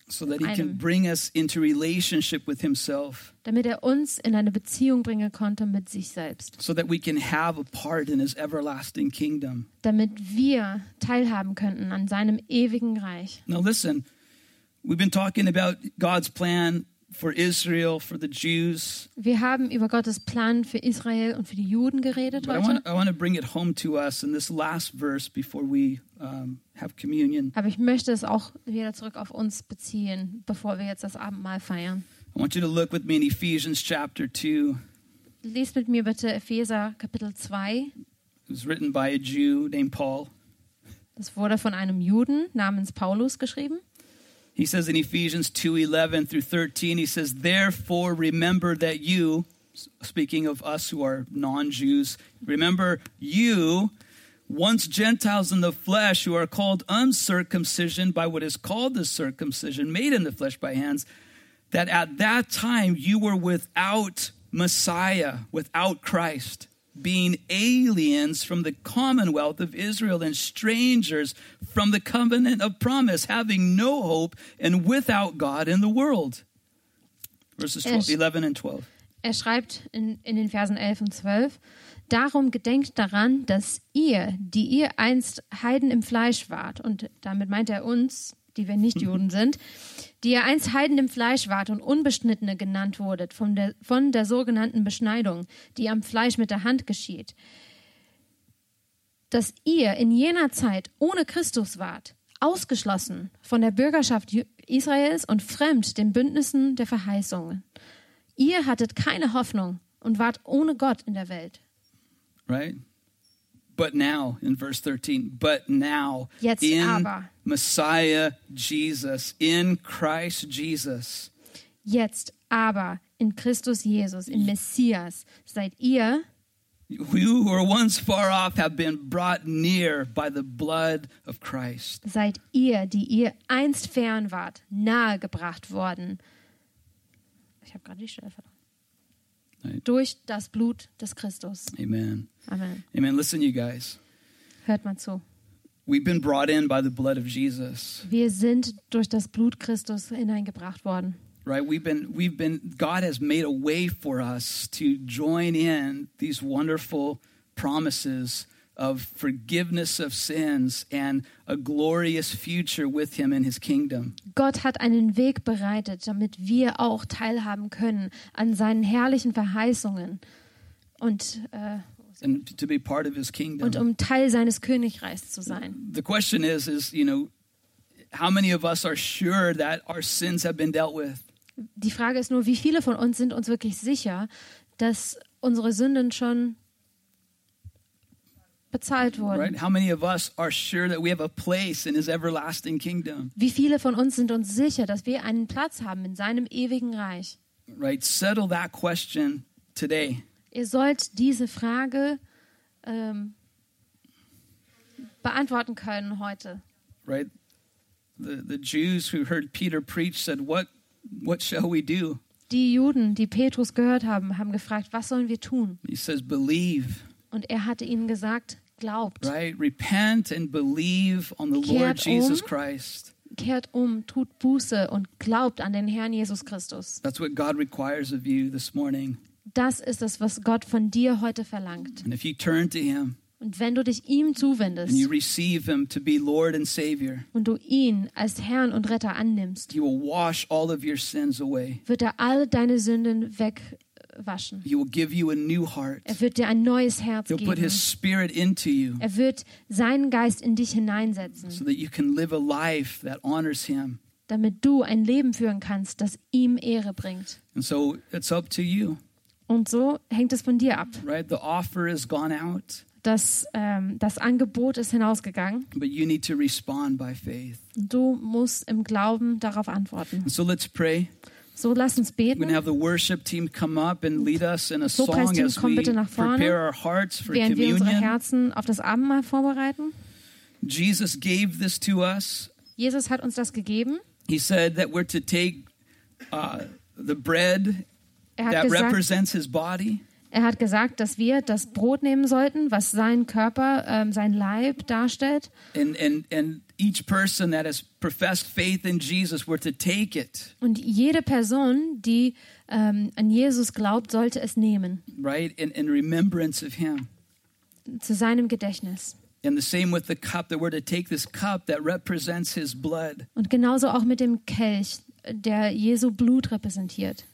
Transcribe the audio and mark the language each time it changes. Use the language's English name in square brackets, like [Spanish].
[English] So that he can bring us into relationship with himself. [German] Damit er uns in eine Beziehung bringen konnte mit sich selbst. [English] So that we can have a part in his everlasting kingdom. [German] Damit wir teilhaben könnten an seinem ewigen Reich. [English] Now listen, we've been talking about God's plan for Israel, for the Jews. [German] Wir haben über Gottes Plan für Israel und für die Juden geredet heute. [English] I want to bring it home to us in this last verse before we have communion. [German] Aber ich möchte es auch wieder zurück auf uns beziehen, bevor wir jetzt das Abendmahl feiern. [English] I want you to look with me in Ephesians chapter 2. [German] Lies mit mir bitte Epheser Kapitel 2. [English] It was written by a Jew named Paul. [German] Das wurde von einem Juden namens Paulus geschrieben. [English] He says in Ephesians 2:11 through 13, he says, therefore remember that you, speaking of us who are non-Jews, remember you, once Gentiles in the flesh, who are called uncircumcision by what is called the circumcision, made in the flesh by hands, that at that time you were without Messiah, without Christ, being aliens from the commonwealth of Israel and strangers from the covenant of promise, having no hope and without God in the world. Verses 11 and 12. [German] Er schreibt in den Versen 11 und 12, darum gedenkt daran, dass ihr, die ihr einst Heiden im Fleisch wart, und damit meint er uns, die wir nicht Juden sind, die ihr einst Heiden im Fleisch wart und Unbeschnittene genannt wurdet von der sogenannten Beschneidung, die am Fleisch mit der Hand geschieht, dass ihr in jener Zeit ohne Christus wart, ausgeschlossen von der Bürgerschaft Israels und fremd den Bündnissen der Verheißung. Ihr hattet keine Hoffnung und wart ohne Gott in der Welt. [English] Right? But now, in verse 13, but now, [German] jetzt in aber, [English] Messiah Jesus, in Christ Jesus. [German] Jetzt aber, in Christus Jesus, in Messias, seid ihr, [English] you who were once far off have been brought near by the blood of Christ. [German] Seid ihr, die ihr einst fern wart, nahe gebracht worden. Ich habe gerade die Stelle verloren. [English] Right. [German] Durch das Blut des Christus. [English] Amen. Amen. Amen. Listen, you guys. [German] Hört mal zu. [English] We've been brought in by the blood of Jesus. [German] Wir sind durch das Blut Christus hineingebracht worden. [English] Right? We've been. God has made a way for us to join in these wonderful promises of forgiveness of sins and a glorious future with him in his kingdom. [German] Gott hat einen Weg bereitet, damit wir auch teilhaben können an seinen herrlichen Verheißungen und [English] to be part of his kingdom. [German] Und um Teil seines Königreichs zu sein. [English] The question is, you know, how many of us are sure that our sins have been dealt with? [German] Die Frage ist nur, wie viele von uns sind uns wirklich sicher, dass unsere Sünden schon bezahlt wurden. [English] Right? How many of us are sure that we have a place in his everlasting kingdom? [German] Wie viele von uns sind uns sicher, dass wir einen Platz haben in seinem ewigen Reich? [English] Right, settle that question today. [German] Ihr sollt diese Frage beantworten können heute. [English] Right, the Jews who heard Peter preach said, what shall we do? [German] Die Juden, die Petrus gehört haben, haben gefragt, was sollen wir tun? [English] He says, believe. [German] Und er hatte ihnen gesagt, glaubt. [English] Right, repent and believe on the [German] kehrt [English] Lord Jesus Christ. [German] Kehrt um, tut Buße und glaubt an den Herrn Jesus Christus. [English] That's what God requires of you this morning. [German] Das ist es, was Gott von dir heute verlangt. [English] And if you turn to him, [German] und wenn du dich ihm zuwendest, [English] and you receive him to be Lord and Savior, [German] und du ihn als Herrn und Retter annimmst, [English] he will wash all of your sins away. [German] Wird er all deine Sünden wegwaschen. [English] He will give you a new heart. [German] Er wird dir ein neues Herz geben. [English] He'll put his spirit into you. [German] Er wird seinen Geist in dich hineinsetzen. [English] So that you can live a life that honors him. [German] Damit du ein Leben führen kannst, das ihm Ehre bringt. [English] And so it's up to you. [German] Und so hängt es von dir ab. [English] Right, the offer is gone out. [German] Das Angebot ist hinausgegangen. [English] But you need to respond by faith. [German] Du musst im Glauben darauf antworten. [English] And so let's pray. [German] So lass uns beten. [English] We're going to have the worship team come up and lead us in a song as we prepare our hearts for communion. [German] wir unsere Herzen auf das Abendmahl vorbereiten. [English] Jesus gave this to us. [German] Jesus hat uns das gegeben. [English] He said that we're to take the bread that represents his body. [German] Er hat gesagt, dass wir das Brot nehmen sollten, was sein Körper, sein Leib darstellt. [English] And each person that has professed faith in Jesus were to take it. [German] Und jede Person, die an Jesus glaubt, sollte es nehmen. [English] Right, in remembrance of him. [German] Zu seinem Gedächtnis. [English] And the same with the cup, that we're to take this cup that represents his blood. [German] Und genauso auch mit dem Kelch, der Jesu Blut repräsentiert.